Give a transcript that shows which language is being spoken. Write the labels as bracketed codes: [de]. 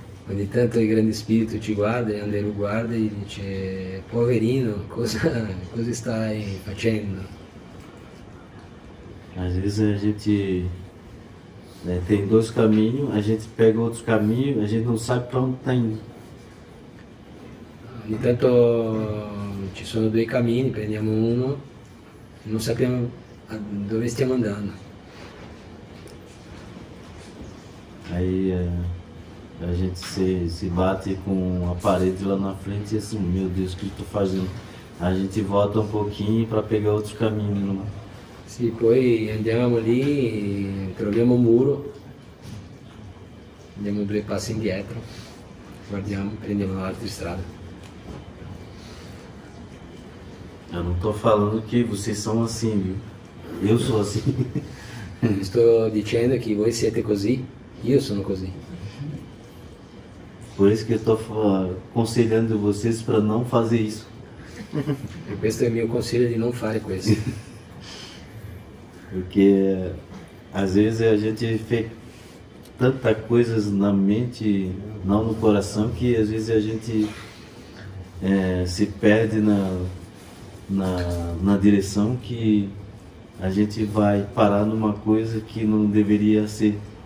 [pt] Onde tanto o grande espírito te guarda, e onde ele guarda, e te [it] poverino, cosa [pt] está fazendo? Às vezes a gente, né, tem dois caminhos, a gente pega outros caminhos, a gente não sabe para onde está indo. [it] Ogni tanto ci sono due cammini, prendiamo uno e non sappiamo dove stiamo andando. [pt] Aí a gente se bate com a parede lá na frente e assim, meu Deus, o que estou fazendo? A gente volta um pouquinho para pegar outro caminho. [it] Sì, poi andiamo lì, troviamo un muro, andiamo due passi indietro, guardiamo, prendiamo un'altra strada. [pt] Eu não estou falando que vocês são assim, viu? Eu sou assim. [it] Sto dicendo che voi siete così, io sono così. [pt] Por isso que eu estou aconselhando vocês para não fazer isso. [it] E questo è il mio consiglio di non fare questo. [pt] Porque às vezes a gente fez tanta coisas na mente, não no coração, que às vezes a gente se perde na direção, que a gente vai parar numa coisa que não deveria ser.